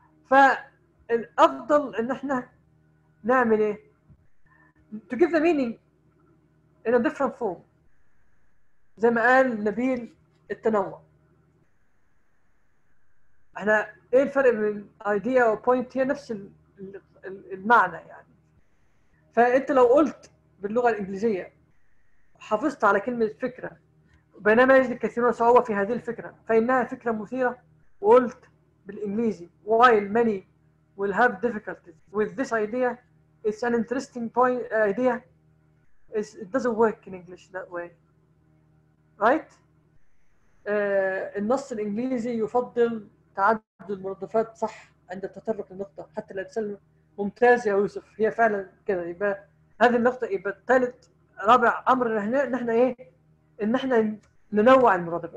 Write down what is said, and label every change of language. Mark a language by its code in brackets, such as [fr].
[ar] فالأفضل إن إحنا نعمل إيه؟ [en] to give the meaning in a different form، [ar] زي ما قال نبيل التنوع. إحنا إيه الفرق بين idea و point؟ هي نفس المعنى يعني. فأنت لو قلت باللغة الإنجليزية حافظت على كلمة فكرة بينما يجد الكثيرون صعوبة في هذه الفكرة فإنها فكرة مثيرة، وقلت بالإنجليزي [en] while many will have difficulties with this idea it's an interesting point idea it's, it doesn't work in English that way right. [ar] النص الإنجليزي يفضل تعدد المرادفات صح عند التطرق للنقطة حتى لا تسلم. ممتاز يا يوسف، هي فعلا كده. يبقى هذه النقطة، يبقى ثالث رابع أمر هنا نحن إيه؟ إن إحنا ننوع المرادف.